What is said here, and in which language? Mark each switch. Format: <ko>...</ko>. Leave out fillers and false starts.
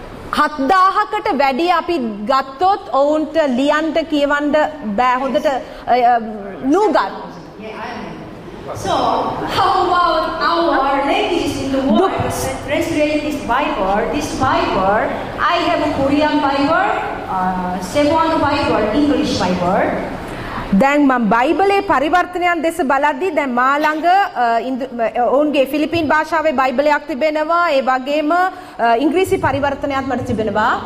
<si>7,000කට වැඩි අපි ගත්තොත් ඔවුන්ට ලියන්න කියවන්න බෑ හොඳට නූගත්.</si> <en>So how about our ladies in the world? Translate this Bible. This Bible, I have a Korean Bible, Cebuano Bible, English Bible.</en> <si>දැන් මම බයිබලයේ පරිවර්තනයන් දෙස බලද්දී දැන් මා ළඟ ඔවුන්ගේ ෆිලිපින් භාෂාවේ බයිබලයක් තිබෙනවා ඒ වගේම ඉංග්‍රීසි පරිවර්තනයක් මට තිබෙනවා.</si>